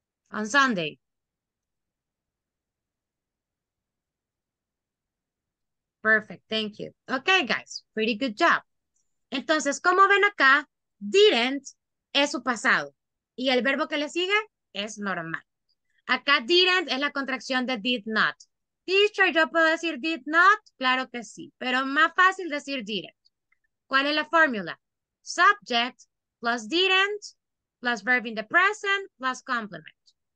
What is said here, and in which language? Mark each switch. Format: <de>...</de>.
<en>On Sunday. Perfect, thank you. Okay, guys, pretty good job.</en> <es>Entonces, como ven acá, didn't es su pasado. Y el verbo que le sigue es normal. Acá didn't es la contracción de did not. Teacher, ¿yo puedo decir did not? Claro que sí, pero más fácil decir didn't. ¿Cuál es la fórmula?</es> <en>Subject plus didn't plus verb in the present plus complement.</en>